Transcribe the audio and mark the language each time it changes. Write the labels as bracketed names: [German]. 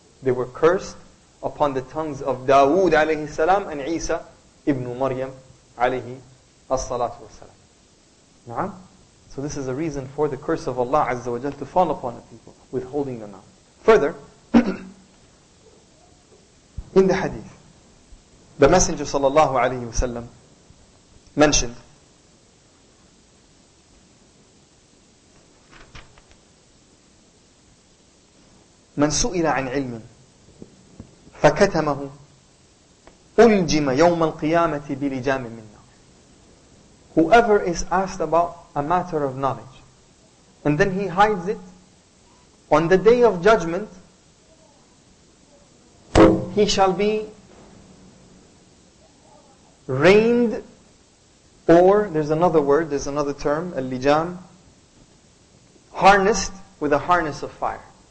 [English] They were cursed upon the tongues of Dawood alayhi salam and Isa ibn Maryam alayhi as-salatu wasalam. Na'am? So this is a reason for the curse of Allah azza wa jal to fall upon the people, withholding the knowledge. Further, In the hadith, the Messenger sallallahu alayhi wasallam mentioned [Arabic] من سئل عن علم فكتمه ألجم يوم القيامة بلجام من نار. [English] Whoever is asked about a matter of knowledge and then he hides it, on the day of judgment he shall be rained, or there's another word, there's another term, اللجام, harnessed with a harness of fire.